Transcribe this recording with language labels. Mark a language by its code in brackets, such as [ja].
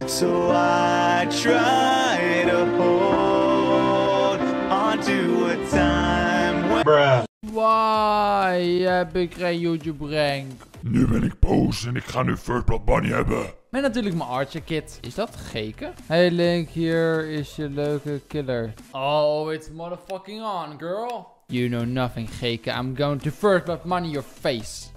[en] So I try to hold on to a time when... Bruh. Why [nl] heb ik geen YouTube rank? Nu ben ik boos en ik ga nu First Blood Bunny hebben. Met natuurlijk mijn Archer Kit. Is dat geken? Hey Link, hier is je leuke killer. [en] Oh, it's motherfucking on, girl. You know nothing, geken. I'm going to First Blood Bunny your face.